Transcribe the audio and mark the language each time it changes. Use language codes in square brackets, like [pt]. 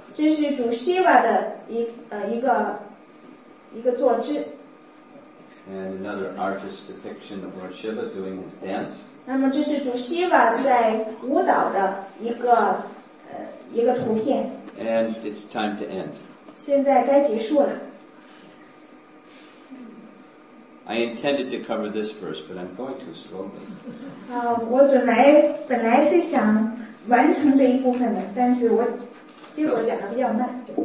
[zh] 这是主希瓦的一个坐姿。 [en] And another artist's depiction of Lord Shiva doing his dance. [zh] 那么这是主希瓦在舞蹈的一个图片。 [en] And it's time to end. [zh] 现在该结束了。 [en] I intended to cover this verse, but I'm going too slowly. [zh] 我本来是想完成这一部分的，但是我结果讲的比较慢。